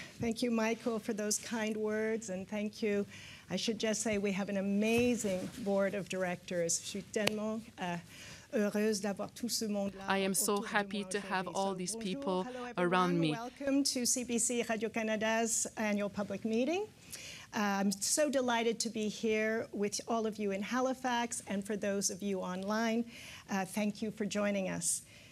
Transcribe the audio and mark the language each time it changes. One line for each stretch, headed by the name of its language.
English: Thank you, Michael, for those kind words, and thank you. I should just say we have an amazing board of directors.
French: Je suis tellement heureuse d'avoir tout ce monde là.
English: I am so happy to have all these people around me. Welcome to CBC Radio-Canada's annual public meeting. I'm so delighted to be here with all of you in Halifax, and for those of you online, thank you for joining us.